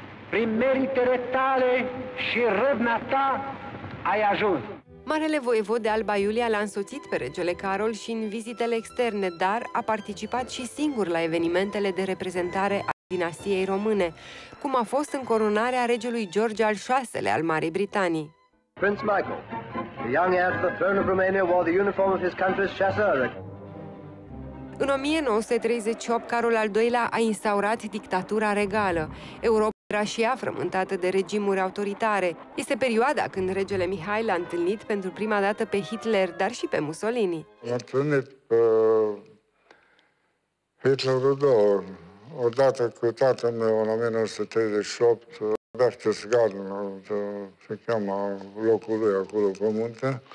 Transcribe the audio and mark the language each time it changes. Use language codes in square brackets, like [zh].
[ro] Prin meritele tale și râvna ta ai ajuns. Marele voievod de Alba Iulia l-a însoțit pe regele Carol și în vizitele externe, dar a participat și singur la evenimentele de reprezentare a dinastiei române, cum a fost încoronarea regelui George al VI-lea al Marii Britanii. [en] Prince Michael, the young heir to the throne of Romania wore the uniform of his country's chasseur. [ro] În 1938, Carol al II-lea a instaurat dictatura regală. Europa era și ea frământată de regimuri autoritare. Este perioada când regele Mihai l-a întâlnit pentru prima dată pe Hitler, dar și pe Mussolini. L-a întâlnit pe Hitlerul II, odată cu tatăl meu, în 1938, Berchtesgaden, se cheamă locul lui acolo pe munte.